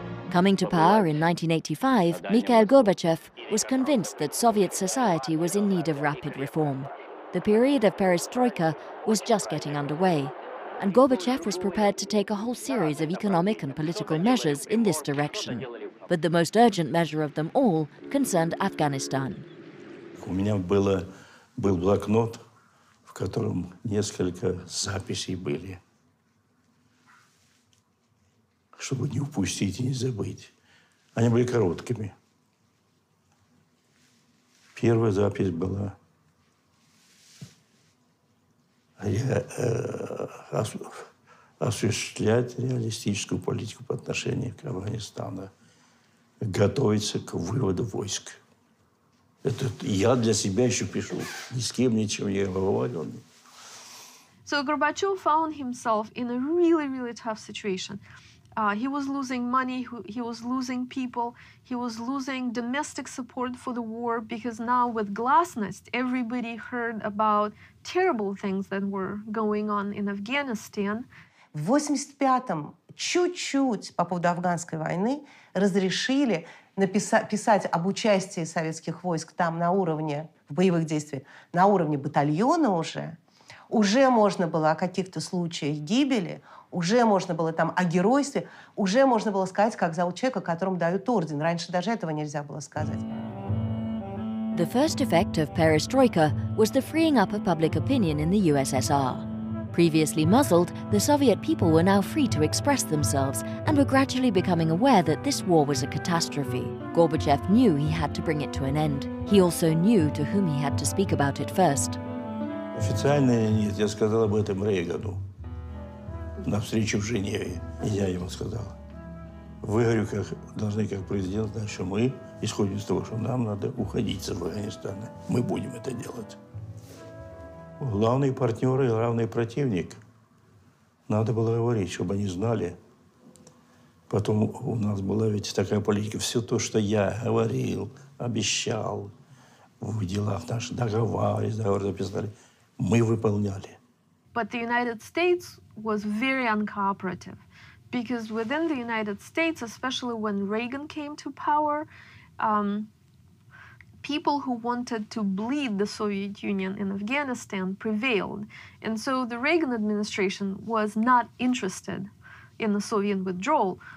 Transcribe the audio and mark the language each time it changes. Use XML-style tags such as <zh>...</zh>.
<en>Coming to power in 1985, Mikhail Gorbachev was convinced that Soviet society was in need of rapid reform. The period of perestroika was just getting underway, and Gorbachev was prepared to take a whole series of economic and political measures in this direction. But the most urgent measure of them all concerned Afghanistan.</en> <ru>У меня было был блокнот, в котором несколько записей были, чтобы не упустить и не забыть. Они были короткими. Первая запись была: я осуществлять реалистическую политику по отношению к Афганистану. Готовиться к выводу войск. Это я для себя еще пишу. Ни с кем, ничего не говорил.</ru> <en>So Gorbachev found himself in a really, really tough situation. He was losing money, he was losing people, he was losing domestic support for the war, because now with glasnost, everybody heard about terrible things that were going on in Afghanistan.</en> <ru>В 85-м чуть-чуть по поводу афганской войны разрешили писать об участии советских войск там на уровне, в боевых действиях, на уровне батальона уже. Уже можно было о каких-то случаях гибели, уже можно было там о геройстве, уже можно было сказать, как зовут человека, которому дают орден. Раньше даже этого нельзя было сказать.</ru> <en>The first effect of perestroika was the freeing up of public opinion in the USSR. Previously muzzled, the Soviet people were now free to express themselves and were gradually becoming aware that this war was a catastrophe. Gorbachev knew he had to bring it to an end. He also knew to whom he had to speak about it first.</en> <ru>Официально или нет, я сказал об этом Рейгану на встрече в Женеве. И я ему сказал. Вы, говорю, как, должны как президент знать, что мы исходим из того, что нам надо уходить из Афганистана. Мы будем это делать. Главные партнеры и главный противник. Надо было говорить, чтобы они знали. Потом у нас была ведь такая политика. Все то, что я говорил, обещал в делах наших, договор записали, мы выполняли.</ru> <en>But the United States was very uncooperative. Because within the United States, especially when Reagan came to power, people who wanted to bleed the Soviet Union in Afghanistan prevailed. And so the Reagan administration was not interested in the Soviet withdrawal.</en>